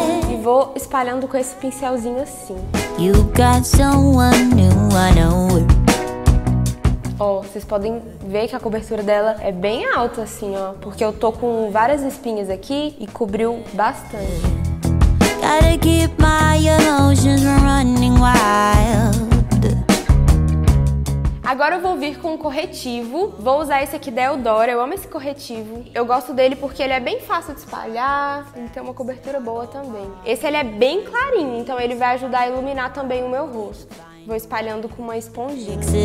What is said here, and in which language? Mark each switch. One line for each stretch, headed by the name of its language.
Portuguese: E vou espalhando com esse pincelzinho assim.
English: You got someone new, I know.
Portuguese: Ó, vocês podem ver que a cobertura dela é bem alta, assim, ó. Porque eu tô com várias espinhas aqui e cobriu bastante.
English: Gotta keep my emotions running wild.
Portuguese: Agora eu vou vir com um corretivo. Vou usar esse aqui da Eudora. Eu amo esse corretivo. Eu gosto dele porque ele é bem fácil de espalhar e tem uma cobertura boa também. Esse ele é bem clarinho, então ele vai ajudar a iluminar também o meu rosto. Vou espalhando com uma esponjinha.